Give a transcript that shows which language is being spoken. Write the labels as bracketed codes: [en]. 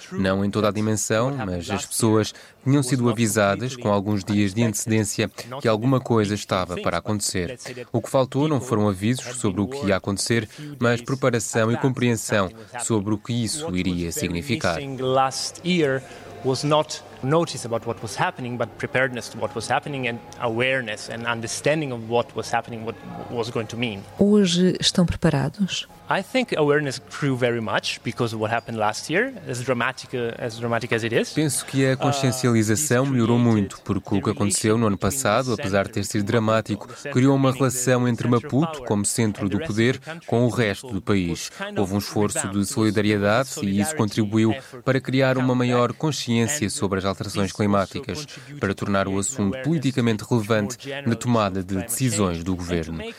[pt] Não em toda a dimensão, mas as pessoas tinham sido avisadas, com alguns dias de antecedência, que alguma coisa estava para acontecer. O que faltou não foram avisos sobre o que ia acontecer, mas preparação e compreensão sobre o que isso iria significar. [en] Notice about what was happening, but preparedness to what was happening and awareness and understanding of what was happening, what was going to mean. [pt] Hoje estão preparados? [en] I think awareness grew very much because of what happened last year, as dramatic as it is. [pt] Penso que a consciencialização melhorou muito porque o que aconteceu no ano passado, apesar de ter sido dramático, criou uma relação entre Maputo, como centro do poder, com o resto do país. Houve um esforço de solidariedade e isso contribuiu para criar uma maior consciência sobre as alterações climáticas, para tornar o assunto politicamente relevante na tomada de decisões do governo.